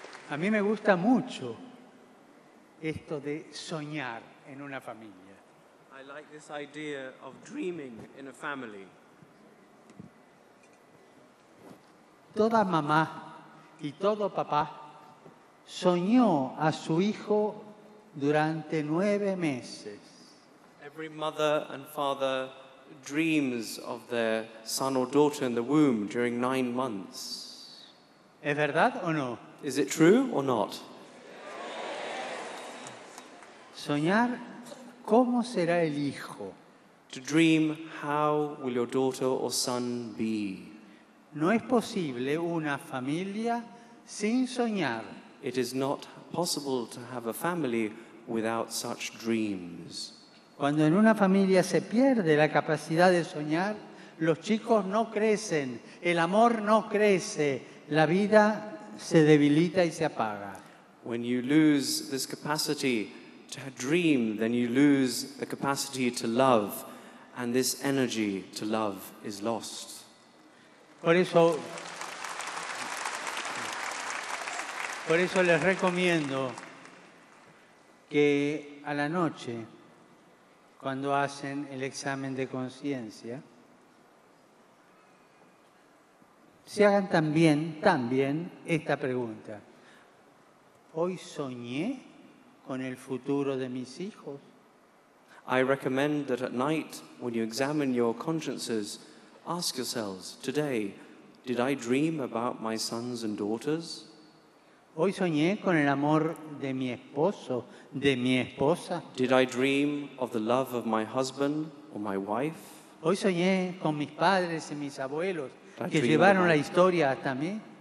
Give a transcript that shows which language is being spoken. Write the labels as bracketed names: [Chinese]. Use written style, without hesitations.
[Spanish] A mí me gusta mucho esto de soñar en una familia. [English] I like this idea of dreaming in a family. [Spanish] Toda mamá y todo papá soñó a su hijo durante 9 meses. [English] Every mother and father dreams of their son or daughter in the womb during 9 months. [Spanish] ¿Es verdad o no? [English] Is it true or not? [Spanish] Soñar cómo será el hijo. [English] To dream how will your daughter or son be. [Spanish] No es posible una familia sin soñar. [English] It is not possible to have a family without such dreams. [Spanish] Cuando en una familia se pierde la capacidad de soñar, los chicos no crecen, el amor no crece, la vida se debilita y se apaga. [English] When you lose this capacity to dream, then you lose the capacity to love, and this energy to love is lost. [Spanish] Por eso les recomiendo que a la noche, cuando hacen el examen de conciencia, se hagan también esta pregunta. ¿Hoy soñé con el futuro de mis hijos? [English] I recommend that at night, when you examine your consciences, ask yourselves, today, did I dream about my sons and daughters? [Spanish] ¿Hoy soñé con el amor de mi esposo, de mi esposa? [English] Did I dream of the love of my husband or my wife? [Spanish] ¿Hoy soñé con mis padres y mis abuelos que llevaron la historia hasta mí?